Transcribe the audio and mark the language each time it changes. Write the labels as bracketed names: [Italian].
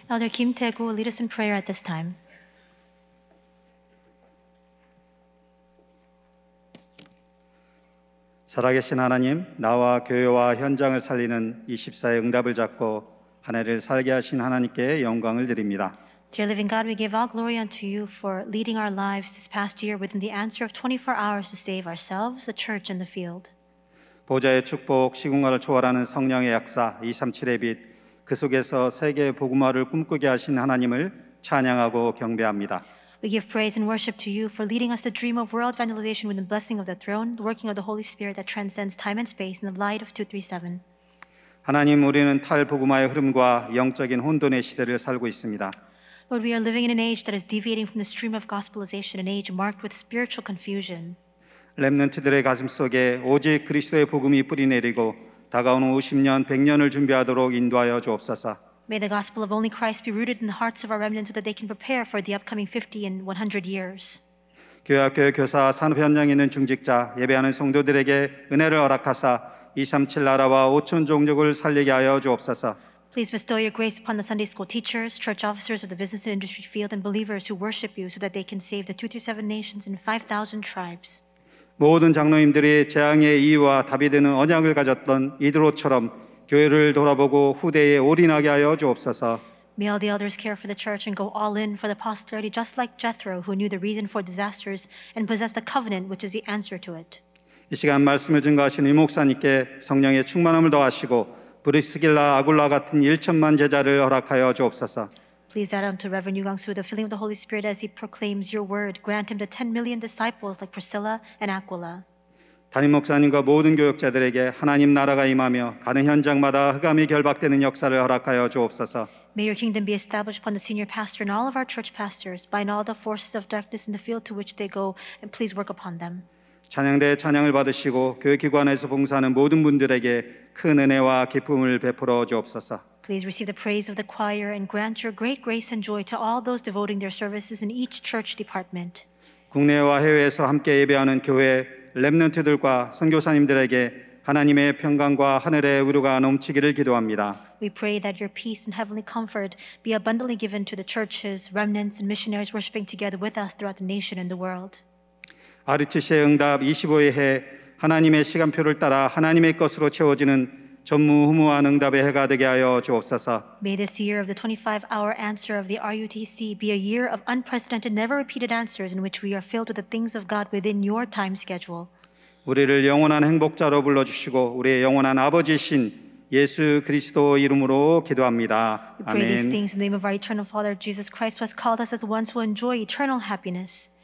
[English] Elder Kim Tae-gu, lead us in prayer at this time. [Korean] 살아계신 하나님, 나와 교회와 현장을 살리는 24의 응답을 잡고 한 해를 살게 하신 하나님께 영광을 드립니다. [English] Dear living God, we give all glory unto you for leading our lives this past year within the answer of 24 hours to save ourselves, the church and the field. [Korean] 보좌의 축복, 시공간을 초월하는 성령의 역사, 237의 빛, 그 속에서 세계 복음화를 꿈꾸게 하신 하나님을 찬양하고 경배합니다. [English] We give praise and worship to you for leading us to dream of world evangelization with the blessing of the throne, the working of the Holy Spirit that transcends time and space in the light of 237. [Korean] 하나님, 우리는 탈복음화의 흐름과 영적인 혼돈의 시대를 살고 있습니다. [English] Lord, we are living in an age that is deviating from the stream of gospelization, an age marked with spiritual confusion. [Korean] 렘넌트들의 가슴 속에 오직 그리스도의 복음이 뿌리내리고 다가오는 50년, 100년을 준비하도록 인도하여 주옵소서. [English] May the gospel of only Christ be rooted in the hearts of our remnant so that they can prepare for the upcoming 50 and 100 years. [Korean] 교회 학교 교사 산업 현장에 있는 중직자 예배하는 성도들에게 은혜를 허락하사 237 나라와 5천 종족을 살리게 하여 주옵소서. [English] Please bestow your grace upon the Sunday school teachers, church officers of the business and industry field and believers who worship you so that they can save the 237 nations and 5000 tribes. [Korean] 모든 장로님들이 재앙의 이유와 답이 되는 언약을 가졌던 이드로처럼 교회를 돌아보고 후대에 올인하게 하여 주옵소서. [English] May all the elders care for the church and go all in for the posterity just like Jethro who knew the reason for disasters and possessed the covenant which is the answer to it. [Korean] 이 시간 말씀을 증거하신 이 목사님께 성령의 충만함을 더하시고 브리스길라 아굴라 같은 1천만 제자를 허락하여 주옵소서. [English] Please add on to Reverend Yugangsu the filling of the Holy Spirit as he proclaims your word. Grant him the 10 million disciples like Priscilla and Aquila. [Korean] 담임 목사님과 모든 교역자들에게 하나님 나라가 임하며 가는 현장마다 흑암이 결박되는 역사를 허락하여 주옵소서. [English] May your kingdom be established upon the senior pastor and all of our church pastors, bind all the forces of darkness in the field to which they go, and please work upon them. [Korean] 찬양대 찬양을 받으시고 교회기관에서 봉사하는 모든 분들에게 큰 은혜와 기쁨을 베풀어 주옵소서. [English] Please receive the praise of the choir and grant your great grace and joy to all those devoting their services in each church department. [Korean] 국내와 해외에서 함께 예배하는 교회 렘넌트들과 선교사님들에게 하나님의 평강과 하늘의 위로가 넘치기를 기도합니다. [English] We pray that your peace and heavenly comfort be abundantly given to the churches, remnants, and missionaries worshiping together with us throughout the nation and the world. [Korean] RUTC의 응답 25의 해 하나님의 시간표를 따라 하나님의 것으로 채워지는 전무후무한 응답의 해가 되게 하여 주옵소서. [English] May this year of the 25-hour answer of the RUTC be a year of unprecedented, never-repeated answers in which we are filled with the things of God within your time schedule. [Korean] 우리를 영원한 행복자로 불러주시고 우리의 영원한 아버지신 예수 그리스도 이름으로 기도합니다. 아멘. [English] We pray these things in the name of our eternal Father, Jesus Christ, who has called us as ones who enjoy eternal happiness.